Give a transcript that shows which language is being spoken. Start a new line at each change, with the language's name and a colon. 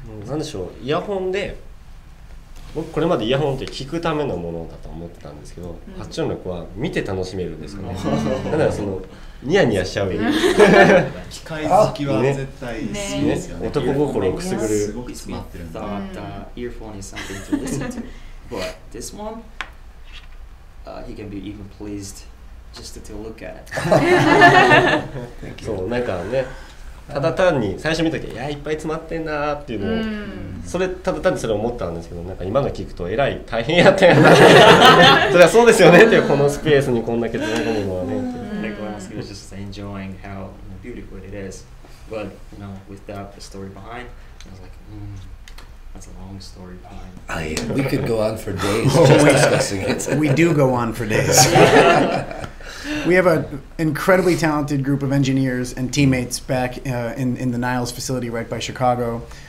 Japanese: なんでしょう、イヤホンで僕これまでイヤホンって聞くためのものだと思ってたんですけど、うん、846は見て楽しめるんですよね、うん、だからそのニヤニヤしちゃう機械好きは絶対好きですよ ね男心をくすぐる、すごく詰まってるんだ。
English: Earphone is something to listen to but this one、he can be even pleased just to look at it.
Japanese: そう、なんかね、ただ単に最初見たときはいやいっぱい詰まってんなっていうのを、うん、それただ単にそれ思ったんですけど、なんか今の聞くとえらい大変やったんやなそれはそうですよねっていう、このスペースにこんだけ詰め込むのはね。
English: I was just enjoying how beautiful it is, but you know, without the story behind, I was like, that's a long story behind. I, we could go on for days just discussing it. We do go on for days. We have an incredibly talented group of engineers and teammates back in the Niles facility right by Chicago.